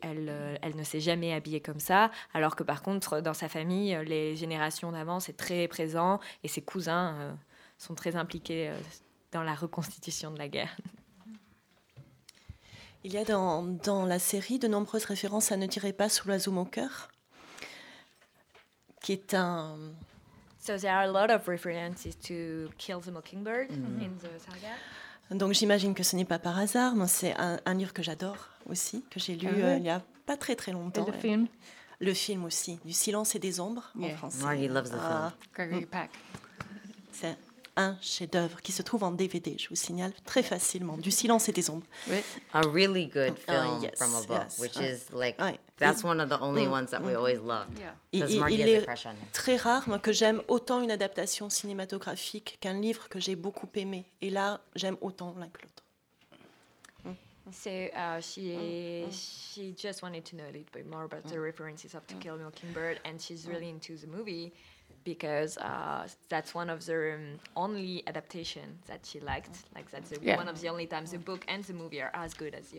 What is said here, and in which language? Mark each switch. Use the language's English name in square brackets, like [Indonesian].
[French] Elle ne s'est jamais habillée comme ça. Alors que par contre, dans sa famille, les générations d'avant, c'est très présent. Et ses cousins sont très impliqués dans la reconstitution de la guerre. Il y a dans la série de nombreuses références à Ne tirez pas sur l'oiseau moqueur, qui est un... [English] So there are a lot of references to Kill the Mockingbird in the saga. [French] Donc j'imagine que ce n'est pas par hasard, mais c'est un livre que j'adore aussi, que j'ai lu il n'y a pas très très longtemps. Et le film. Le film aussi, Du silence et des ombres en français. [English] Margie loves the film. Gregory Peck. [French] C'est... un chef-d'œuvre qui se trouve en DVD, je vous signale, très facilement, Du silence et des ombres. [English] A really good film from a book, which is like, that's one of the only ones that we always loved. [French] Il est très rare, moi, que j'aime autant une adaptation cinématographique qu'un livre que j'ai beaucoup aimé. Et là, j'aime autant l'un que l'autre. [English] So she just wanted to know a little bit more about the references of To Kill a Mockingbird, and she's really into the movie. because that's one of the only adaptations that she liked. Like, that's one of the only times the book and the movie are as good as the